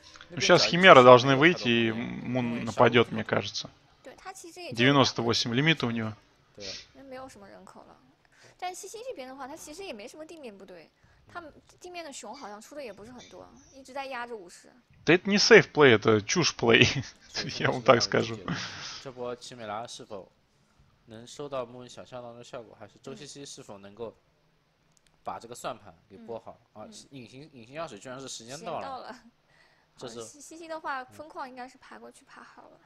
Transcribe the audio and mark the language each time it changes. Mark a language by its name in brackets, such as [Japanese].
[Russian] Ну, сейчас химера должны выйти, и Мун нападет, мне кажется. 98 лимита у него. [Chinese] 没有什么人口了，但西西这边的话，他其实也没什么地面部队，他地面的熊好像出的也不是很多，一直在压着武士。 [Russian] Да это не сейф плей, это чушь плей, я вам так скажу. [Chinese] 这波奇美拉是否能收到木木想象当中的效果，还是周西西是否能够把这个算盘给拨好啊？隐形药水居然是时间到了，这是。西西的话，风矿应该是爬过去爬好了。